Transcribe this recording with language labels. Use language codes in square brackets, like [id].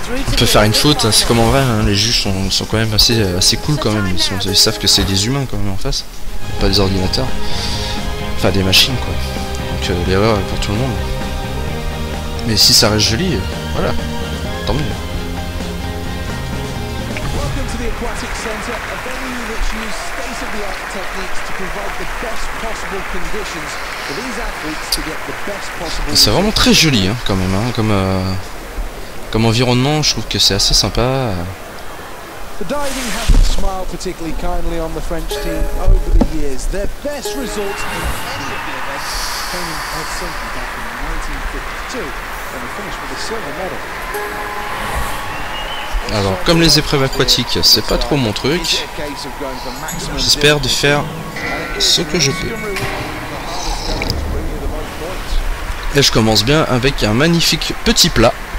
[fr] On peut faire une faute, c'est comme en vrai, hein, les juges sont quand même assez cool quand même. Ils savent que c'est des humains quand même en face, pas des ordinateurs. Enfin, des machines, quoi. Donc, l'erreur est pour tout le monde. Mais si ça reste joli, voilà, tant mieux. [en] Welcome to the Aquatic Centre, a venue which uses state-of-the-art techniques to provide the best possible conditions for these athletes to get the best possible. [fr] C'est vraiment très joli, hein, quand même, hein, comme comme environnement, je trouve que c'est assez sympa. [en] The diving habits smile particularly kindly on the French team over the years. Their best results in any of the events came in Helsinki back in 1952, and they finished with a silver medal. [fr] Alors, comme les épreuves aquatiques, c'est pas trop mon truc, j'espère de faire ce que je peux. Et je commence bien avec un magnifique petit plat.